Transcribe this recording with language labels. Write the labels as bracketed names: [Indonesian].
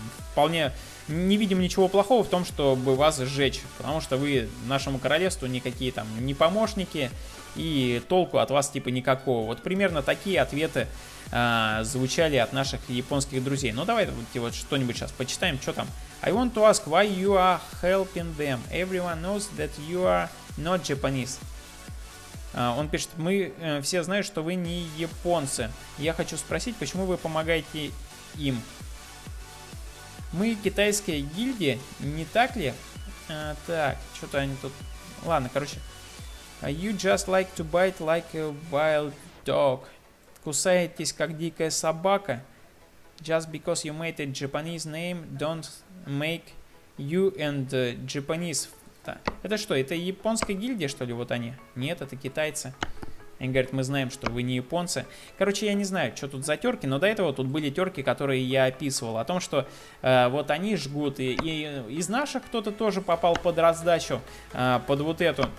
[Russian] вполне не видим ничего плохого в том, чтобы вас сжечь, потому что вы нашему королевству никакие там не помощники, и толку от вас типа никакого. Вот примерно такие ответы звучали от наших японских друзей. Ну давайте вот что-нибудь сейчас почитаем, что там. [English] I want to ask why you are helping them. Everyone knows that you are not Japanese. [Russian] Он пишет: мы все знаем, что вы не японцы. Я хочу спросить, почему вы помогаете им? Мы китайская гильдия, не так ли? Так, что-то они тут... Ладно, короче... [English] You just like to bite like a wild dog. [Russian] Кусаетесь, как дикая собака. [English] Just because you made a Japanese name, don't make you and Japanese. [Russian] Это что, это японская гильдия, что ли, вот они? Нет, это китайцы. Они говорят, мы знаем, что вы не японцы. Короче, я не знаю, что тут за терки, но до этого тут были терки, которые я описывал. О том, что вот они жгут, и из наших кто-то тоже попал под раздачу, под вот эту.